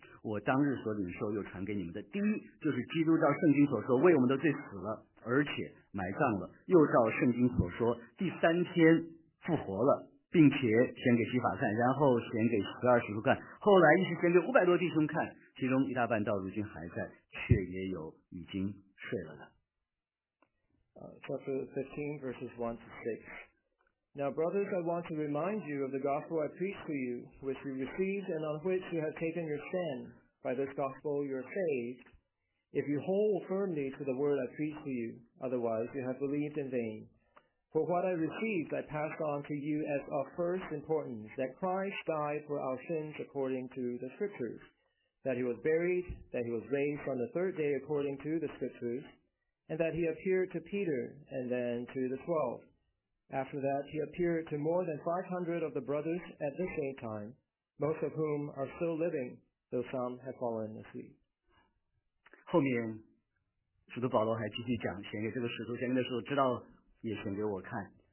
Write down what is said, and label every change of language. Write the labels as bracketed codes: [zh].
[zh] 我当日所领受又传给你们的，第一就是基督照圣经所说为我们的罪死了，而且埋葬了，又照圣经所说第三天复活了，并且显给西法看，然后显给十二使徒看，后来一时显给五百多弟兄看，其中一大半到如今还在，却也有已经睡了的。 [en] Chapter 15, verses 1 to 6. Now, brothers, I want to remind you of the gospel I preached to you, which you received and on which you have taken your stand. By this gospel you are saved, if you hold firmly to the word I preached to you, otherwise you have believed in vain. For what I received I passed on to you as of first importance, that Christ died for our sins according to the Scriptures, that he was buried, that he was raised on the third day according to the Scriptures,and that he appeared to Peter, and then to the 12. After that, he appeared to more than 500 of the brothers at the same time, most of whom are still living, though some have fallen asleep. [zh] 后面使徒保罗还继续讲，显给这个使徒，显给的时候知道也显给我看。